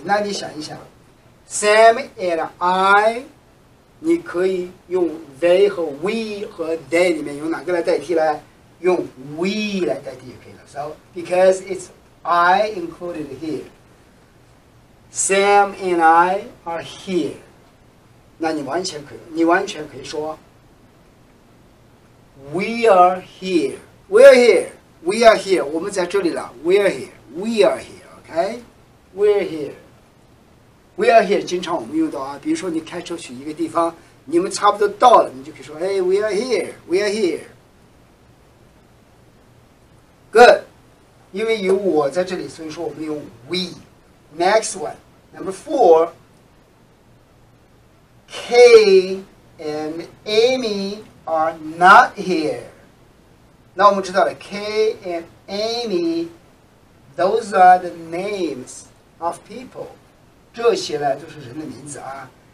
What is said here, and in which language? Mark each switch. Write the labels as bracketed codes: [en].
[zh] 那你想一想 ， [en] Sam and I， [zh] 你可以用 they 和 we 和 they 里面用哪个来代替呢？用 we 来代替也可以了。 [en] So because it's I included here， Sam and I are here。 [zh] 那你完全可以，你完全可以说。 [en] We are here. We are here. We are here. [zh] 我们在这里了 [en] We are here. We are here. Okay. We are here. We are here. [zh] 经常我们用到啊，比如说你开车去一个地方，你们差不多到了，你就可以说，哎 ， [en] We are here. We are here. Good. [zh] 因为有我在这里，所以说我们用 we. [en] Next one, number four. K and Amy. Are not here. [zh] 那我们知道了 [en] Kay and Amy, those are the names of people. [zh] 这些呢就是人的名字啊。